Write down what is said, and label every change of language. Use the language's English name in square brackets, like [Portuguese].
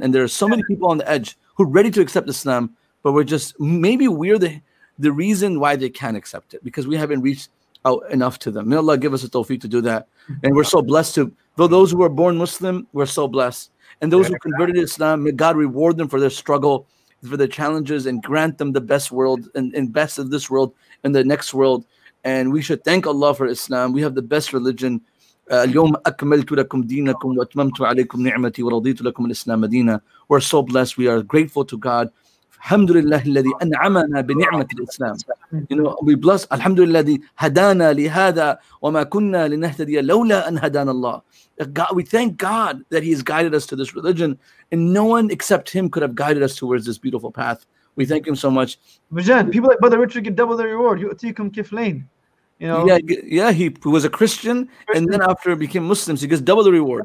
[English] And there are so many people on the edge who are ready to accept Islam, but we're just, maybe we're the reason why they can't accept it, because we haven't reached out enough to them. May Allah give us a tawfiq to do that. And we're so blessed to, though those who are born Muslim, we're so blessed. And those who converted to Islam, may God reward them for their struggle, for their challenges, and grant them the best world and best of this world and the next world. And we should thank Allah for Islam. We have the best religion. [Arabic] اليوم أكملت لكم دينكم وأتممت عليكم نعمتي ورضيت لكم الإسلام مدينة. [English] We're so blessed. We are grateful to God. [Arabic] Alhamdulillah الذي أنعمنا بنعمة الإسلام. [English] We bless. [Arabic] Alhamdulillah الذي هدانا لهذا وما كنا لنهتدي لولا أن هدانا الله. [English] God, we thank God that He has guided us to this religion, and no one except Him could have guided us towards this beautiful path. We thank Him so much. Bajan, people like Brother Richard get double the reward. [Arabic] Yu'tikum kiflain. [English] He was a Christian, and then after became Muslim, so he gets double the reward.